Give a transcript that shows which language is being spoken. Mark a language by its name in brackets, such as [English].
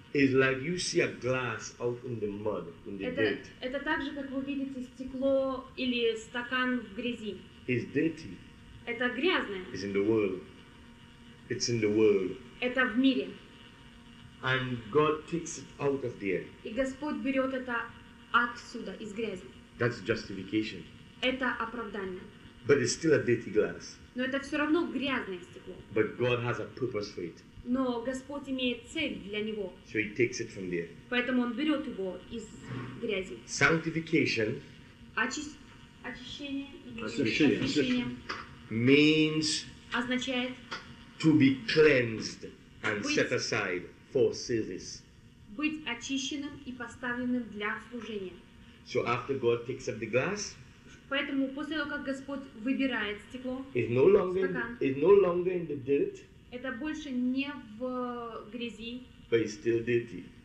[English] It's like you see a glass out in the mud, in the dirt. [Russian] Это так же, как вы видите стекло или стакан в грязи. [English] It's dirty. [Russian] Это грязное. [English] It's in the world. It's in the world. [Russian] Это в мире. [English] And God takes it out of the air. [Russian] И Господь берет это отсюда, из грязи. [English] That's justification. [Russian] Это оправдание. [English] But it's still a dirty glass. [Russian] Но это все равно грязное стекло. [English] But God has a purpose for it. [Russian] Но Господь имеет цель для него. [English] So he takes it from there. [Russian] Поэтому он берет его из грязи. [English] Sanctification. [Russian] Очищение. Освящение. [English] Means [Russian] означает [English] to be cleansed and set aside for service. [Russian] Быть очищенным и поставленным для служения. [English] So after God takes up the glass, [Russian] поэтому после того, как Господь выбирает стекло, [English] it's no longer in the dirt, [Russian] это больше не в грязи, [English] but it's still dirty.